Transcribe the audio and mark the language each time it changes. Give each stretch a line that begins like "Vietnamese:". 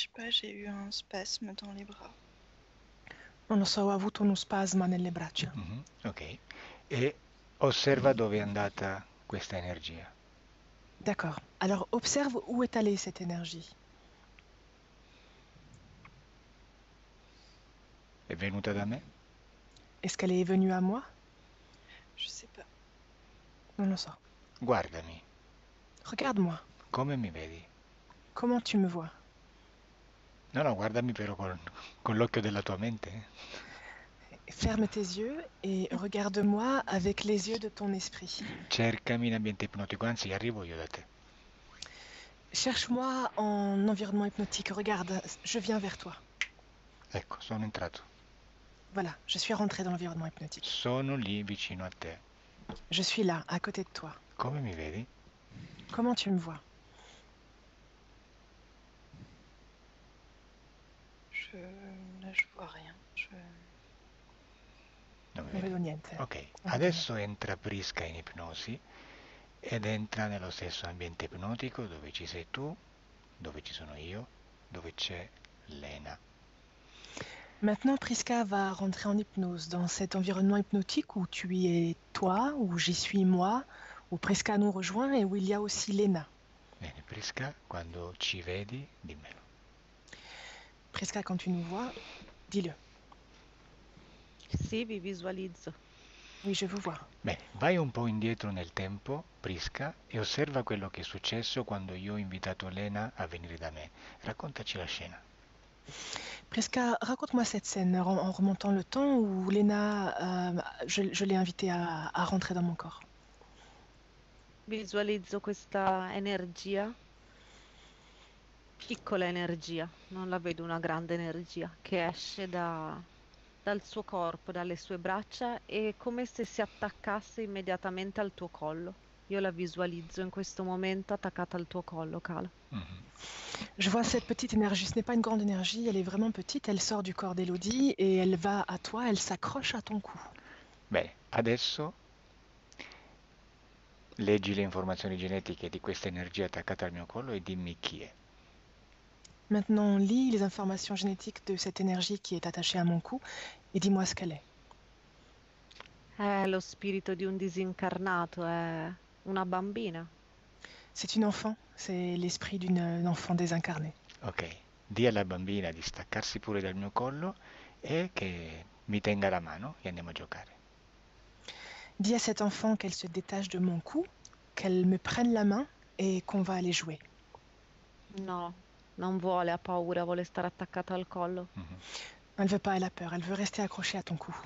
French: J'ai eu un spasme dans les bras.
Italian: Non lo so, ho avuto uno spasma nelle braccia. Ok, e osserva dove è andata questa energia.
French: D'accord. Alors observe où est allée cette énergie.
Italian: È venuta da me?
French: Est-ce qu'elle est venue à moi? Je sais pas. Non, non, ça.
Italian: Guardami.
French: Regarde-moi.
Italian: Come mi vedi?
French: Comment tu me vois?
Italian: No, no, guardami però con l'occhio della tua mente.
French: Ferme tes yeux et regarde-moi avec les yeux de ton esprit.
Italian: Cercami in ambiente ipnotico, anzi, arrivo io da te.
French: Cherche-moi en environnement hypnotique. Regarde, je viens vers toi.
Italian: Ecco, sono entrato.
French: Voilà, je suis rentrée dans l'environnement hypnotique.
Italian: Sono lì vicino a te.
French: Je suis là, à côté de toi.
Italian: Come mi vedi?
French: Comment tu me vois? Là, je vois rien.
Italian: Non mi Non vedi. vedo niente. Non vedo niente. adesso entra Prisca in ipnosi ed entra nello stesso ambiente ipnotico dove ci sei tu, dove ci sono io, dove c'è Lena.
French: Maintenant, Prisca va rentrer en hypnose dans cet environnement hypnotique où tu y es toi, où j'y suis moi, où Prisca nous rejoint et où il y a aussi Lena.
Italian: Prisca, quando ci vedi, dimmelo.
French: Prisca, quand tu nous vois, dis-le.
Italian: Sì, vi visualizzo. Oui, je vous vois. Beh, vai un po' indietro nel tempo, Prisca, e osserva quello che è successo quando io ho invitato Lena a venire da me. Raccontaci la scena.
French: Prisca, raconte-moi cette scène en remontant le temps où Lena, je l'ai invitée à rentrer dans mon corps.
Italian: Visualizzo questa energia, piccola energia, non la vedo una grande energia, che esce dal suo corpo, dalle sue braccia e come se si attaccasse immediatamente al tuo collo. Io la visualizzo in questo momento attaccata al tuo collo, Cala.
French: Je vois cette petite énergie, ce n'est pas une grande énergie, elle est vraiment petite, elle sort du corps d'Élodie et elle va à toi, elle s'accroche à ton cou.
Italian: Adesso leggi le informazioni genetiche di questa energia attaccata al mio collo e dimmi chi è.
French: Maintenant, lis les informations génétiques de cette énergie qui est attachée à mon cou et dis-moi ce qu'elle est.
Italian: È lo spirito di un disincarnato, è una bambina.
French: C'est une enfant, c'est l'esprit d'une enfant désincarnée.
Italian: Ok, di alla bambina di staccarsi pure dal mio collo e che mi tenga la mano e andiamo a giocare.
French: Dis à cette enfant qu'elle se détache de mon cou, qu'elle me prenne la main et qu'on va aller jouer.
Italian: No, non vuole, ha paura, vuole stare attaccata al collo.
French: Elle ne veut pas, elle a peur, elle veut rester accrochée à ton cou.